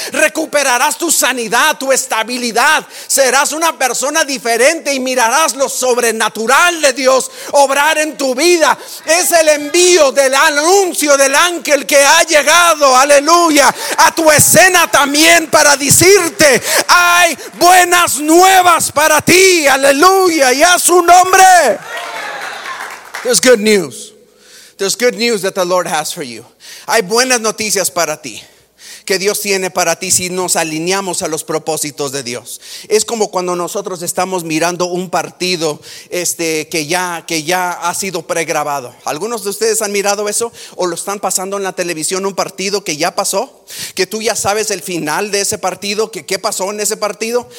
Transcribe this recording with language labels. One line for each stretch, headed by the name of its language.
Spanish: Recuperarás tu sanidad, tu estabilidad. Serás una persona diferente y mirarás lo sobrenatural de Dios obrar en tu vida. Es el envío del anuncio del ángel que ha llegado, aleluya, a tu escena también para decirte: hay buenas nuevas para ti, aleluya, y a su nombre.
English: There's good news. There's good news that the Lord has for you.
Spanish: Hay buenas noticias para ti que Dios tiene para ti si nos alineamos a los propósitos de Dios. Es como cuando nosotros estamos mirando un partido que ya ha sido pregrabado. ¿Algunos de ustedes han mirado eso o lo están pasando en la televisión, un partido que ya pasó, que tú ya sabes el final de ese partido, que qué pasó en ese partido?